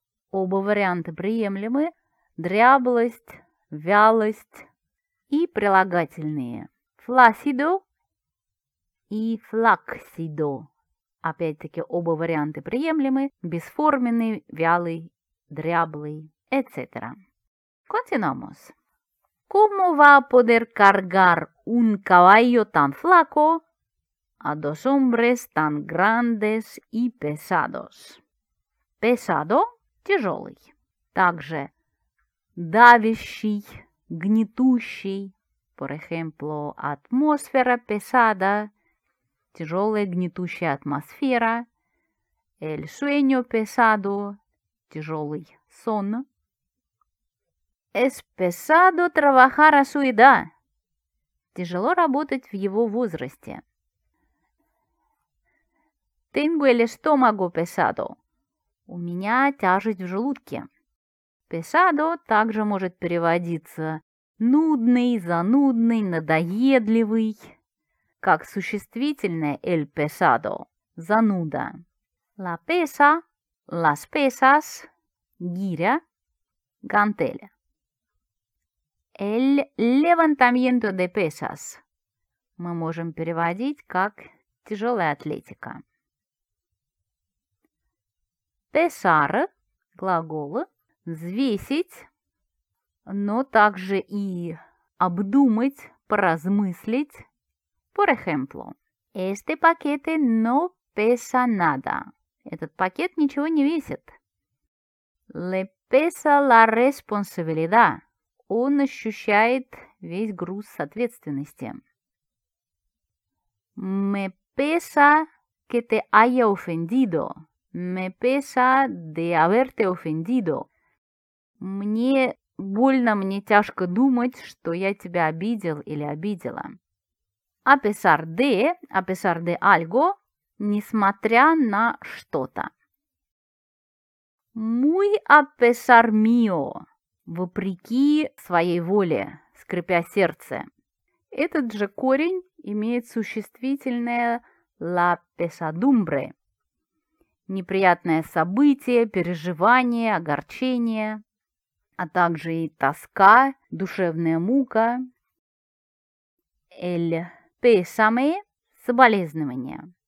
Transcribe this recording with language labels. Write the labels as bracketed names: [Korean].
[Russian] Оба варианта приемлемы. Дряблость, вялость и прилагательные flacido и flacido. Опять-таки оба варианта приемлемы. Бесформенный, вялый, дряблый, etc. [Spanish] Continuamos. ¿Cómo va a poder cargar un caballo tan flaco a dos hombres tan grandes y pesados? Pesado – тяжелый. [Russian] Также давящий, гнетущий. [Spanish] Por ejemplo, [Russian] атмосфера pesada – тяжелая гнетущая атмосфера. [Spanish] El sueño pesado – тяжелый сон. Es pesado trabajar a su edad. [Russian] Тяжело работать в его возрасте. [Spanish] Tengo el estómago pesado. [Russian] У меня тяжесть в желудке. Pesado также может переводиться нудный, занудный, надоедливый. Как существительное el pesado – зануда. [Spanish] La pesa, las pesas – гиря, гантели. El levantamiento de pesas [Russian] мы можем переводить как тяжелая атлетика. Pesar – глагол взвесить, но также и обдумать, поразмыслить. [Spanish] Por ejemplo, este paquete no pesa nada. [Russian] Этот пакет ничего не весит. [Spanish] Le pesa la responsabilidad. [Russian] Он ощущает весь груз ответственности. [Spanish] Me pesa que te haya ofendido. Me pesa de haberte ofendido. [Russian] Мне больно, мне тяжко думать, что я тебя обидел или обидела. [Spanish] A pesar de algo, [Russian] несмотря на что-то. [Spanish] Muy a pesar mío. [Russian] Вопреки своей воле, скрипя сердце. Этот же корень имеет существительное la pesadumbre. Неприятное событие, переживание, огорчение, а также и тоска, душевная мука. [Spanish] El pésame – соболезнование.